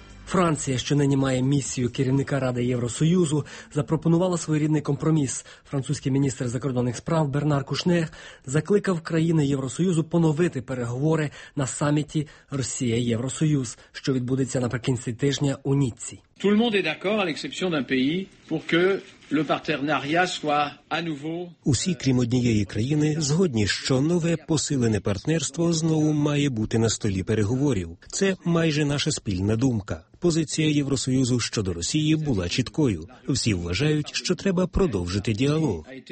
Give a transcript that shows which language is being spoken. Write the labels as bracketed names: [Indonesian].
[Ukrainian] Франція, що нині має місію керівника Ради Євросоюзу, запропонувала своєрідний компроміс. Французький міністр закордонних справ Бернар Кушнер закликав країни Євросоюзу поновити переговори на саміті Росія-Євросоюз, що відбудеться наприкінці тижня у Ніцці. [French] Tout le monde est d'accord à l'exception d'un pays pour que le partenariat soit à nouveau. [Ukrainian] Усі крім однієї країни згодні, що нове посилене партнерство знову має бути на столі переговорів. Це майже наша спільна думка. Позиція Євросоюзу щодо Росії була чіткою. Всі вважають, що треба продовжити діалог.